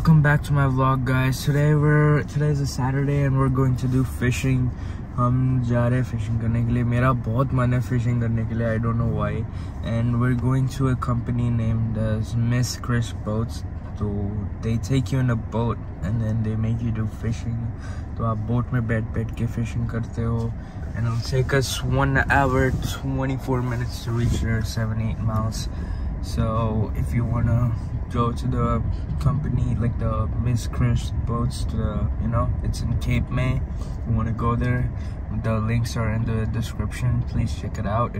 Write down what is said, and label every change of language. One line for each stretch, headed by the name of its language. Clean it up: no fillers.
English: Welcome back to my vlog, guys. Today is a Saturday and we're going to do fishing.
Hindi: हम जा रहे fishing करने के लिए. मेरा बहुत मन है fishing करने के लिए.
English: I don't know why. And we're going to a company named as Miss Chris Boats. So they take you in a boat and then they make you do fishing.
Hindi: So आप boat में बैठ के fishing करते हो.
English: And it'll take us 1 hour 24 minutes to reach there, 7-8 miles. So if you wanna go to the company, like the Miss Chris Boats, it's in Cape May. If you wanna go there, the links are in the description. Please check it out.